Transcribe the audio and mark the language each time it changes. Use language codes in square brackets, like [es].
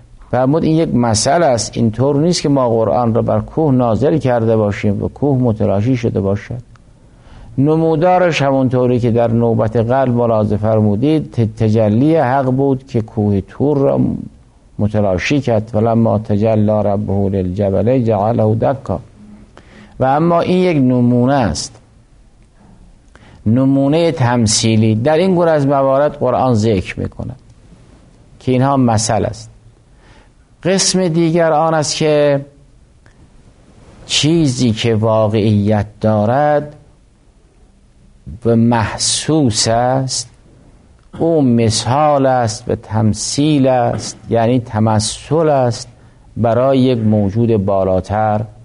[fa] فرمود این یک مسئله است، این طور نیست که ما قرآن را بر کوه نازل کرده باشیم و کوه متلاشی شده باشد. نمودارش همونطوری که در نوبت قلب ملاحظه فرمودید، تجلی حق بود که کوه طور را متلاشی کرد. [ar] ولما تجلا ربه للجبل جعله دکا. [fa] و اما این یک نمونه است، نمونه تمثیلی. در این گونه از موارد قرآن ذکر میکنه که اینها مثل است. قسم دیگر آن است که چیزی که واقعیت دارد و محسوس است، او مثال است و تمثیل است، یعنی تمثل است برای یک موجود بالاتر.